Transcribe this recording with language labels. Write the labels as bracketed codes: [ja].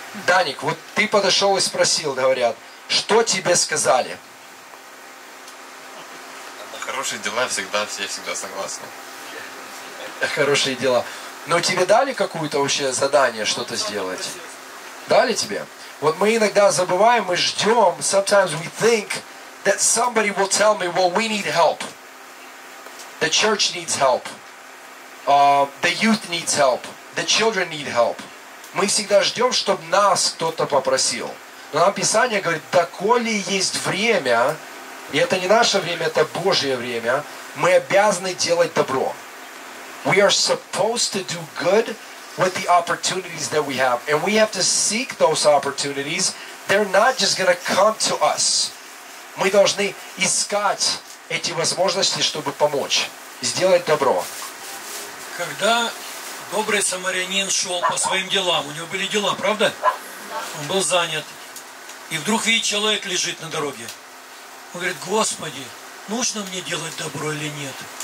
[ru] Даник, вот ты подошел и спросил, говорят, что тебе сказали? Хорошие дела всегда, все всегда согласны. Хорошие дела. Но тебе дали какое-то вообще задание что-то сделать? Дали тебе? Вот мы иногда забываем, мы ждем. [en] Sometimes we think that somebody will tell me, well, we need help. The church needs help. The youth needs help. The children need help. [ru] Мы всегда ждем, чтобы нас кто-то попросил. Но нам Писание говорит, доколе есть время, и это не наше время, это Божье время, мы обязаны делать добро. [en] We are supposed to do good with the opportunities that we have. And we have to seek those opportunities. They're not just going to come to us. [ru] Мы должны искать эти возможности, чтобы помочь. Сделать добро. Когда добрый самарянин шел по своим делам, у него были дела, правда? Он был занят. И вдруг видит, человек лежит на дороге. Он говорит, Господи, нужно мне делать добро или нет?